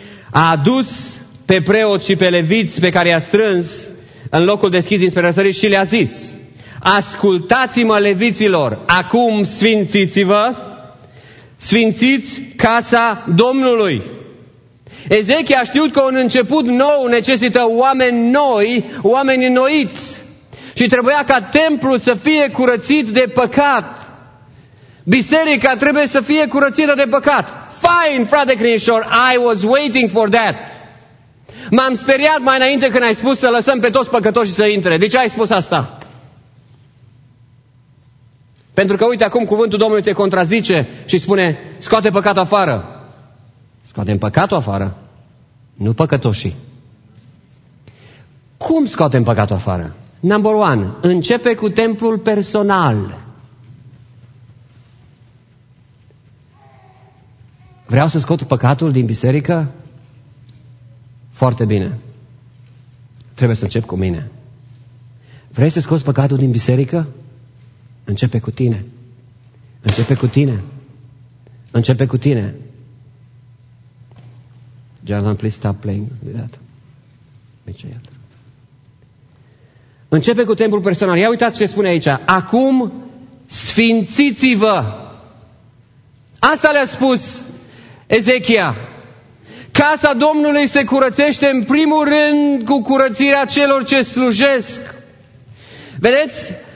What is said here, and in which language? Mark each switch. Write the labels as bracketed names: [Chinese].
[Romanian] A adus pe preoți și pe leviți pe care i-a strâns în locul deschis dinspre răsărit și le-a zis, ascultați-mă, leviților, acum sfințiți-vă, sfințiți casa Domnului. Ezechia a știut că un început nou necesită oameni noi, oameni înnoiți. Și trebuia ca templul să fie curățit de păcat. Biserica trebuie să fie curățită de păcat. [English] fine, frate Crinișor, I was waiting for that. [Romanian] M-am speriat mai înainte când ai spus să lăsăm pe toți păcătoși să intre. De ce ai spus asta? Pentru că uite acum cuvântul Domnului te contrazice și spune, scoate păcatul afară. Scoatem păcatul afară, nu păcătoșii. Cum scoatem păcatul afară? [English] Number one, [Romanian] începe cu templul personal. Vreau să scot păcatul din biserică? Foarte bine. Trebuie să încep cu mine. Vrei să scoți păcatul din biserică? Începe cu tine. Începe cu tine. Începe cu tine. [English] Jonathan, please stop playing with that. [Romanian] Începe cu templul personal. Ia uitați ce spune aici. Acum sfințiți-vă. Asta le-a spus Ezechia. Casa Domnului se curățește în primul rând cu curățirea celor ce slujesc. Vedeți?